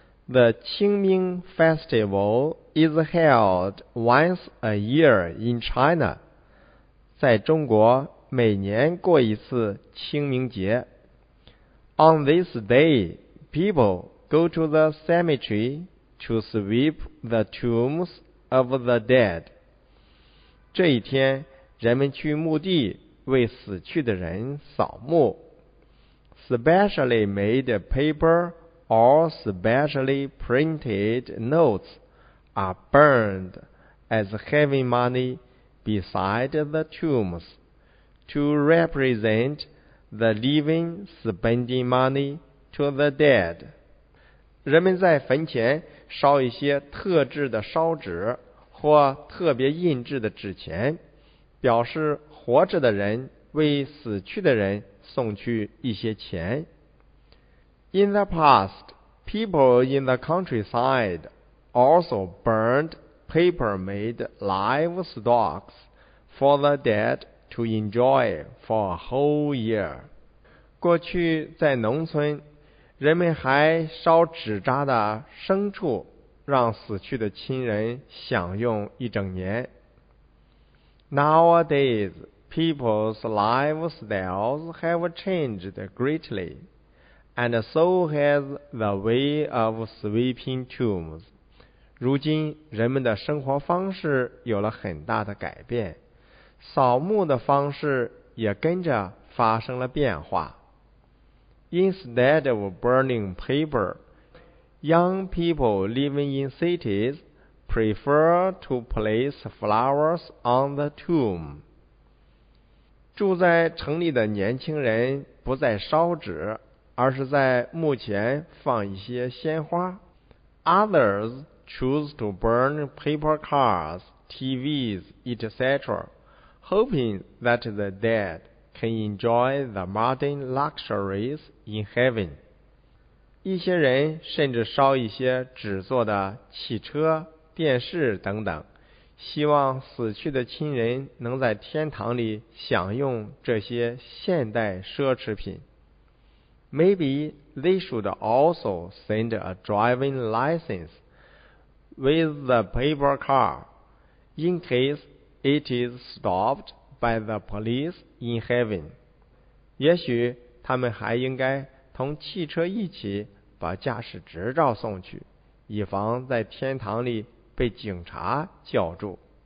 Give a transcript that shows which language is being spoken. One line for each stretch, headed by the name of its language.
English: The Qingming Festival is held once a year in China.
Chinese: 在中国每年过一次清明节。
English: On this day, people go to the cemetery to sweep the tombs of the dead.
Chinese: 这一天人们去墓地为死去的人扫墓。
English: Specially made paper or specially printed notes are burned as heavy money beside the tombs to represent the living spending money to the dead.
Chinese: 人们在坟前烧一些特制的烧纸或特别印制的纸钱，表示活着的人为死去的人送去一些钱。
English: In the past, people in the countryside also burned paper-made livestock for the dead to enjoy for a whole year.
Chinese: 过去在农村，人们还烧纸扎的牲畜，让死去的亲人享用一整年。
English: Nowadays, people's lifestyles have changed greatly, and so has the way of sweeping tombs.
Chinese: 如今人们的生活方式有了很大的改变，扫墓的方式也跟着发生了变化。
English: Instead of burning paper, young people living in cities prefer to place flowers on the tomb.
Chinese: 住在城里的年轻人不再烧纸，而是在墓前放一些鲜花。
English: Others choose to burn paper cars, TVs, etc., hoping that the dead can enjoy the modern luxuries in heaven.
Chinese: 一些人甚至烧一些纸做的汽车、电视等等，希望死去的亲人能在天堂里享用这些现代奢侈品。
English: Maybe they should also send a driving license with the paper car in case it is stopped by the police in heaven.
Chinese: 也许他们还应该同汽车一起把驾驶执照送去，以防在天堂里被警察叫住。